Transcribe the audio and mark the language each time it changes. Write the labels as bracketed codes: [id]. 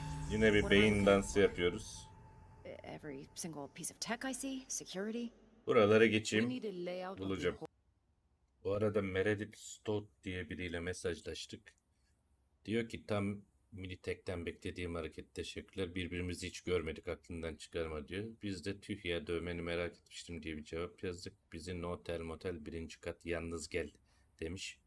[tr] Yine bir beyin dansı yapıyoruz. [en] Every single piece of tech I see, security. [tr] Buralara geçeyim. Bulacağım. Bu arada Meredith Stout diye biriyle mesajlaştık. Diyor ki tam Militech'ten beklediğim hareket, teşekkürler. Birbirimizi hiç görmedik, aklından çıkarma diyor. Biz de tüh ya, dövmeni merak etmiştim diye bir cevap yazdık. Bizi Notel Motel 1. kat yalnız gel demiş.